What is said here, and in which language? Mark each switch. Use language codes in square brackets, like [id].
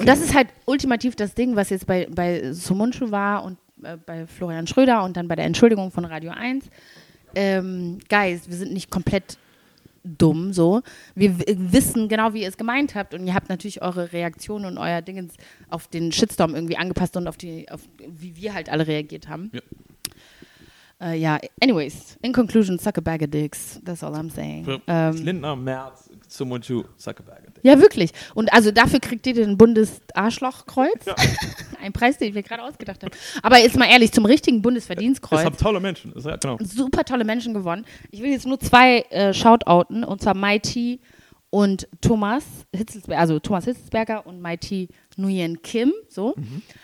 [de] Und das ist halt ultimativ das Ding, was jetzt bei Sumunchu war und bei Florian Schröder und dann bei der Entschuldigung von Radio 1. [en] Guys, [de] wir sind nicht komplett dumm so. Wir wissen genau, wie ihr es gemeint habt und ihr habt natürlich eure Reaktionen und euer Dingens auf den Shitstorm irgendwie angepasst und auf wie wir halt alle reagiert haben. [en] Ja, anyways, in conclusion, suck a bag of dicks. That's all I'm saying. Lindner, Merz, someone to suck a bag of dicks. [de] Ja, wirklich. Und also dafür kriegt ihr den Bundes-Arschloch-Kreuz. Ja. Ein Preis, den ich mir gerade ausgedacht habe. Aber jetzt mal ehrlich, zum richtigen Bundesverdienstkreuz. Es haben tolle Menschen. Genau. Super tolle Menschen gewonnen. Ich will jetzt nur zwei Shoutouten, und zwar Mighty und Thomas Hitzelsberger, also Thomas Hitzelsberger und Mighty Nguyen Kim, so. Mhm.